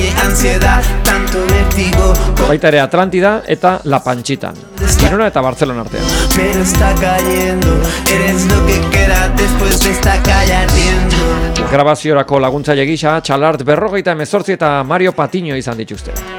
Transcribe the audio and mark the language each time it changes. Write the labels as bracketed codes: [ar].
[eu] Baita ere Atlantida eta La Panchitan. Girona eta Barcelona artean. [es] Pero está cayendo, eres lo que queda después de esta calle ardiendo. [eu] Grabaziorako laguntzaile gisa Txalart 48 eta Mario Patiño izan dituzte.